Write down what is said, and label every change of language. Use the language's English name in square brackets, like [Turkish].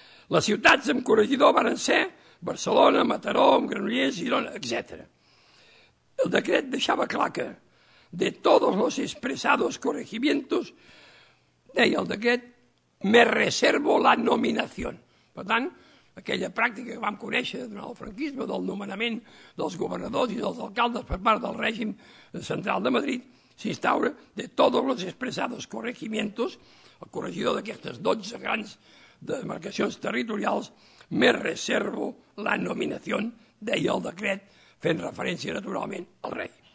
[Catalan] Les ciutats amb corregidor van ser Barcelona, Mataró, Granollers, Girona, etc. El decret deixava clar que [Spanish] de todos los expresados corregimientos, [Catalan] deia el decret, [Spanish] me reservo la nominación. [Catalan] Per tant, aquella pràctica que vam conèixer durant el franquisme del nomenament dels governadors i dels alcaldes per part del règim central de Madrid s'instaura [Spanish] de todos los expresados corregimientos, [Catalan] el corregidor d'aquestes 12 grans demarcacions territorials, [Spanish] me reservo la nominación, [Catalan] deia el decret, fent referència naturalment al rei.